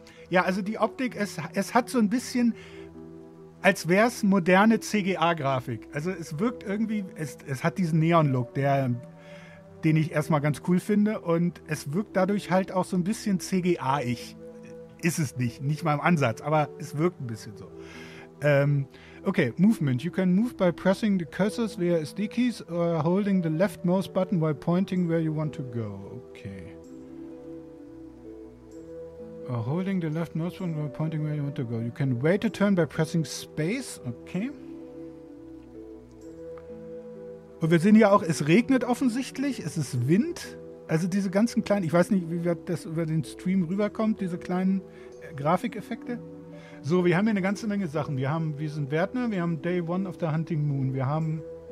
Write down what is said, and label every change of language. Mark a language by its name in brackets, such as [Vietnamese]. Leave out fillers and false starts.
[German] Ja, also die Optik, es hat so ein bisschen, als wäre es moderne CGA-Grafik. Also es wirkt irgendwie, es hat diesen Neon-Look, den ich erstmal ganz cool finde. Und es wirkt dadurch halt auch so ein bisschen CGA-ig. Ist es nicht, nicht mal im Ansatz, aber es wirkt ein bisschen so. [English] Okay, Movement. You can move by pressing the cursors via SD-Keys or holding the left mouse button while pointing where you want to go. Okay. Holding the left mouse button while pointing where you want to go. You can wait a turn by pressing space. Okay. [German] Und wir sehen ja auch, es regnet offensichtlich. Es ist Wind. Also diese ganzen kleinen, ich weiß nicht, wie das über den Stream rüberkommt, diese kleinen Grafikeffekte. So, wir haben hier eine ganze Menge Sachen. Wir sind Wärtner. Wir haben Day One of the Hunting Moon. Wir haben...